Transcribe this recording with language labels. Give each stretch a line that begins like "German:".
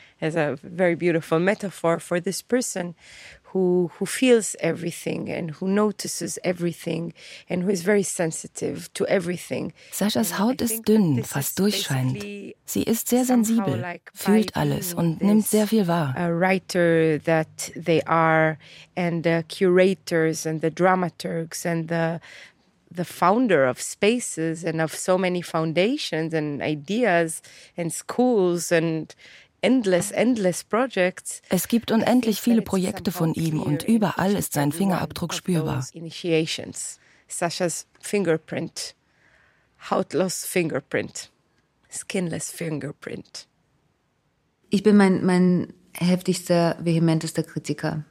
English: It's a very beautiful metaphor for this person who feels everything and who notices everything and who is very sensitive to everything.
German: Sascha's Haut ist dünn, fast durchscheinend. Sie ist sehr sensibel, fühlt alles und nimmt sehr viel wahr.
English: A writer that they are and the curators and the dramaturgs and the founder of spaces and of so many foundations and ideas and schools and endless projects.
German: Es gibt unendlich viele Projekte von ihm und überall ist sein Fingerabdruck spürbar.
English: Initiations. Sascha's fingerprint hautlos fingerprint. Skinless fingerprint.
German: Ich bin mein heftigster, vehementester Kritiker.